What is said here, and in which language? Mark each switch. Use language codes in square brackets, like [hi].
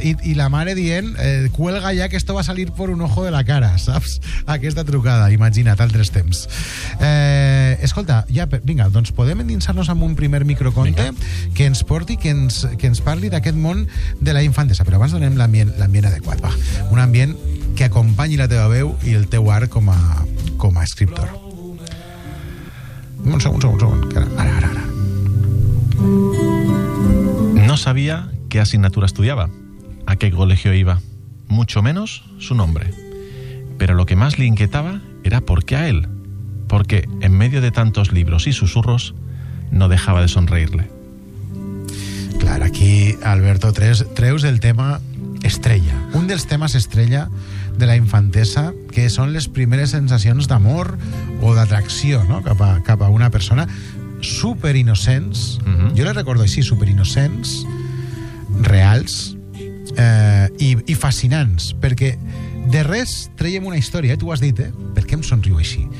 [ca] I la mare dient, [es] cuelga ja que esto va a salir por un ojo de la cara, [ca] saps? Aquesta trucada, imagina't, altres temps. Escolta, ja, vinga, doncs podem endinsar-nos amb un primer microconte que ens porti, que ens parli d'aquest món de la infantesa. Però abans donem l'ambient adequat, va. Un ambient que acompanyi la teva veu i el teu art com a escriptor. Un segon. Ara. [es] No sabía qué asignatura estudiaba, a qué colegio iba, mucho menos su nombre. Pero lo que más le inquietaba era por qué a él, porque en medio de tantos libros y susurros no dejaba de sonreírle. [ca] Claro, aquí Alberto treus el tema estrella. Un dels temes estrella de la infantesa, que són les primeres sensacions d'amor o d'atracció, no? cap a una persona super innocents. Jo les recordo així, super innocents, reals i fascinants, perquè de res traiem una història, tu ho has dit, per què em somriu així?